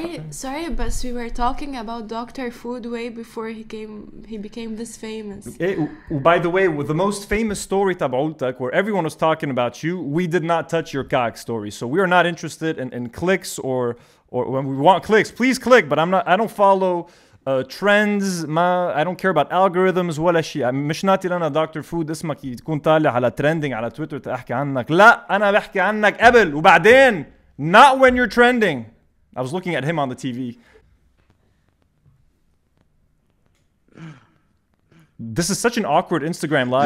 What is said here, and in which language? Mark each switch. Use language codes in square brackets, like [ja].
[en] Sorry, but we were talking about Dr. Food way before he became this famous. By the way, with the most famous story [ar] tabaultak, [en] where everyone was talking about you, we did not touch your cock story. So we are not interested in clicks or when we want clicks, please click. But I don't follow trends ما I don't care about الجوريثمز ولا شيء. [ar] مش ناتي لنا دكتور فود اسمك يكون طالع على ترندنج على تويتر تحكي عنك. لا انا بحكي عنك قبل وبعدين. [en] Not when you're trending. I was looking at him on the TV. This is such an awkward Instagram live.